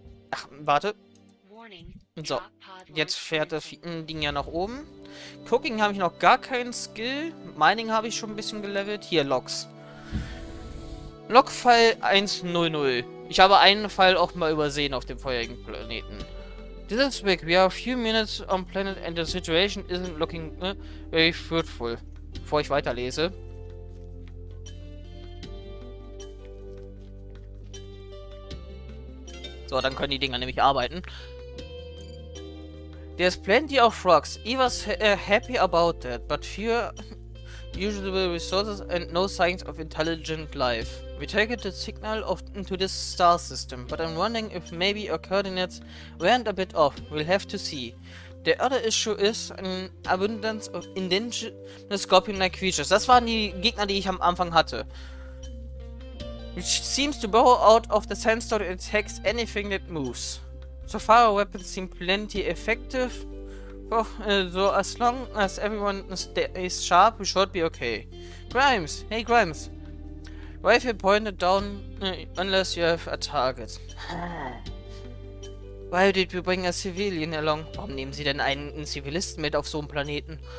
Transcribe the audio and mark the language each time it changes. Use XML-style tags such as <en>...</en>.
<de>Ach, warte. So, jetzt fährt das Ding ja nach oben. Cooking habe ich noch gar keinen Skill. Mining habe ich schon ein bisschen gelevelt. Hier, Logs. Logfall 100. Ich habe einen Fall auch mal übersehen auf dem vorherigen Planeten.</de> <en>This is big. We are a few minutes on planet and the situation isn't looking very fruitful.</en> <de>Bevor ich weiterlese. So, dann können die Dinger nämlich arbeiten.</de> <en>There's plenty of frogs. Eva's happy about that, but few usable resources and no signs of intelligent life. We take the signal of into this star system, but I'm wondering if maybe our coordinates weren't a bit off. We'll have to see. The other issue is an abundance of indigenous scorpion-like creatures.</en> <de>Das waren die Gegner, die ich am Anfang hatte.</de> <en>Which seems to burrow out of the sandstone and attacks anything that moves. So far, our weapons seem plenty effective. Oh, so as long as everyone is sharp, we should be okay. Grimes! Hey, Grimes! Why have you pointed down unless you have a target? Why did we bring a civilian along?</en> <de>Warum nehmen sie denn einen Zivilisten mit auf so einem Planeten?</de>